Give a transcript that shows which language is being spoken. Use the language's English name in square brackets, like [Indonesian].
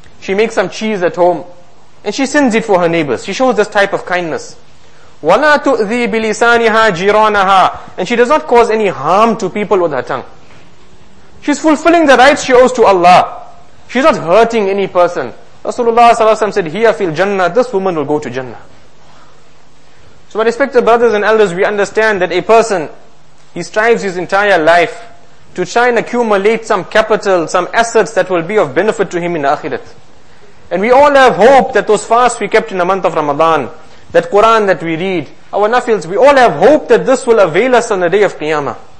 [English] She makes some cheese at home, and she sends it for her neighbors. She shows this type of kindness. [Arabic] وَلَا تُؤْذِي بِلِسَانِهَا جِرَانَهَا. [English] And she does not cause any harm to people with her tongue. She's fulfilling the rights she owes to Allah. She's not hurting any person. Rasulullah ﷺ said, [Arabic] هِيَ فِي الْجَنَّةِ. [English] This woman will go to Jannah. So my respected brothers and elders, we understand that a person, he strives his entire life to try and accumulate some capital, some assets that will be of benefit to him in the akhirat. And we all have hope that those fasts we kept in the month of Ramadan, that Quran that we read, our nafils, we all have hope that this will avail us on the day of Qiyamah.